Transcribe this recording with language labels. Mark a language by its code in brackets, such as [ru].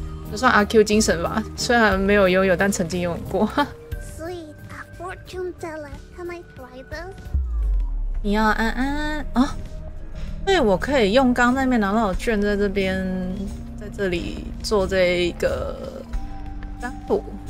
[zh] 就算阿 Q 精神吧，虽然没有拥有，但曾经拥有过。 [en] Sweet, a fortune teller, can I try this? [zh] 你要安安啊？对，我可以用刚刚那边拿到的券，在这边，在这里做这一个占卜。